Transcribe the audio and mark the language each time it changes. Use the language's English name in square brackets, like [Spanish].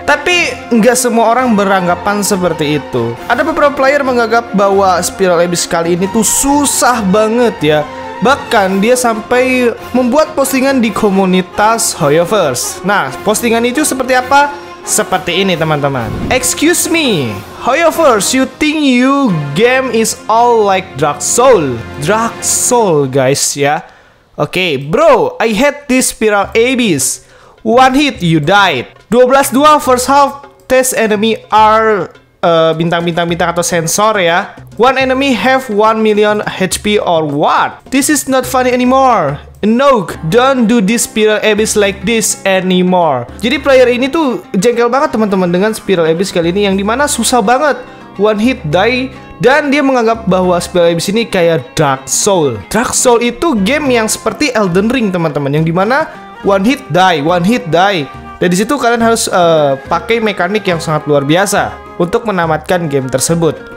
[Indonesian] Tapi nggak semua orang beranggapan seperti itu. Ada beberapa player menganggap bahwa spiral abyss kali ini tuh susah banget ya. Bahkan dia sampai membuat postingan di komunitas Hoyoverse. Nah, postingan itu seperti apa? Seperti ini, teman-teman. [English] Excuse me, Hoyoverse, you think you game is all like Dark Soul? Dark Soul, guys, ya. Okay, bro, I hate this spiral abyss. One hit, you died. 12-2 first half, test enemy are [Indonesian] bintang-bintang-bintang atau sensor, ya. [English] One enemy have 1 million HP or what? This is not funny anymore. No, don't do this spiral abyss like this anymore. [Indonesian] Jadi player ini tuh jengkel banget, teman-teman, dengan spiral abyss kali ini yang dimana susah banget. [English] One hit die, [Indonesian] dan dia menganggap bahwa spiral abyss ini kayak Dark Soul. Dark Soul itu game yang seperti Elden Ring, teman-teman, yang dimana [English] one hit die, one hit die. [Indonesian] Dan di situ kalian harus pakai mekanik yang sangat luar biasa untuk menamatkan game tersebut.